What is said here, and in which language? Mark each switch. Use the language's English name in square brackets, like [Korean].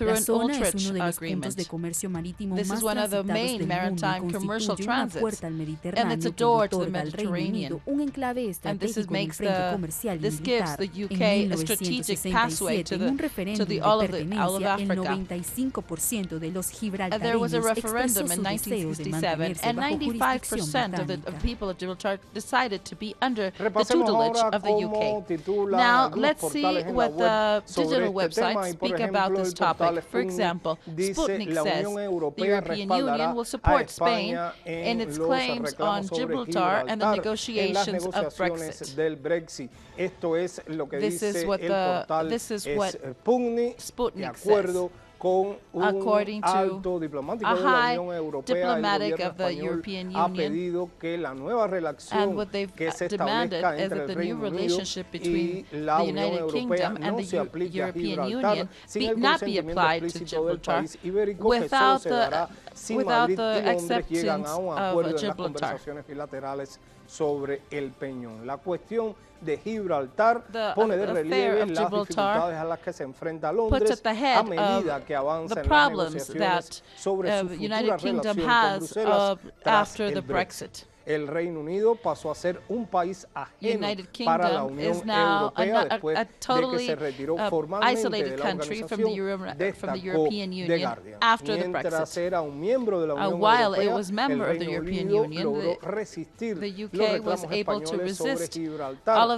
[Spanish] La zona es uno de los puntos de comercio marítimo más transitados del mundo y constituye una puerta al Mediterráneo que otorga al Reino Unido un enclave estratégico y un frente comercial y militar. En 1967, en un referéndum de pertenencia, el 95% de los gibraltareños expresó su deseo de mantenerse bajo jurisdicción británica. [English] Decided to be under the tutelage of the UK. Now, let's see what the digital websites speak about this topic. For example, Sputnik says the European Union will support Spain in its claims on Gibraltar and the negotiations of Brexit. This is what Sputnik says. According to [Spanish] alto diplomático [English] a high [Spanish] de la Unión Europea, [English] diplomatic of the European Union, and what they've demanded is that the new relationship between the United Kingdom and the European Union not be applied to Gibraltar without the acceptance of Gibraltar. [Spanish] Sobre el peñón. La cuestión de Gibraltar pone de relieve las dificultades a las que se enfrenta Londres a medida que avanza en las negociaciones sobre su futura relación con Bruselas tras el Brexit. El Reino Unido pasó a ser un país ajeno para la Unión Europea después de que se retiró formalmente de la organización, mientras era un miembro de la Unión Europea, el Reino Unido logró resistir los reclamos españoles sobre Gibraltar.